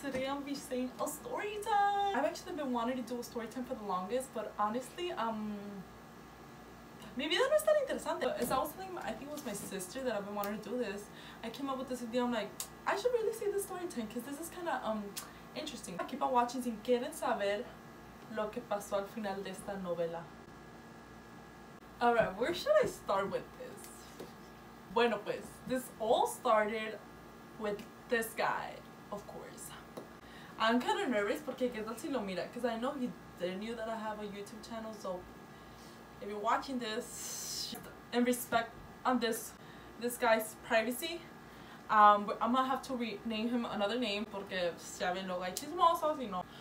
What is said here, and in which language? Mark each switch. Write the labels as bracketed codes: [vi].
[en] Today, I'm going to be saying a story time. I've actually been wanting to do a story time for the longest, but honestly, maybe that was not interesting. As I was telling, I think it was my sister that I've been wanting to do this. I came up with this idea. I'm like, I should really say the story time because this is kind of interesting. I keep on watching. [es] Si quieren saber lo que pasó al final de esta novela. [en] All right, where should I start with this? [es] Bueno, pues, [en] this all started with this guy, of course. I'm kind of nervous [es] porque qué tal si lo mira, [en] because I know he didn't know that I have a YouTube channel, so. If you're watching this, in respect on this guy's privacy, I'm gonna have to rename him another name [es] porque ya ven lo chismosos, [en] you know.